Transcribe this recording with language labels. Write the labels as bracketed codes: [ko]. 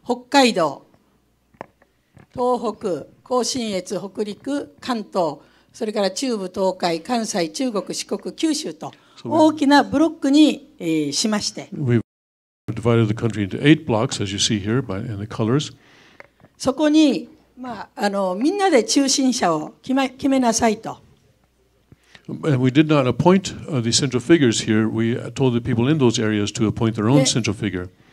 [ja] 日本列島の地図ですが、上の方からですね、北海道、東北、 甲信越、北陸、関東、それから中部、東海、関西、中国、四国、九州と大きなブロックにしまして。 [en] We've divided the country into 8 blocks, as you see here, in the colors. [ja] そこに、みんなで中心者を決めなさいと。 [en] And we did not appoint the central figures here. We told the people in those areas to appoint their own central figure.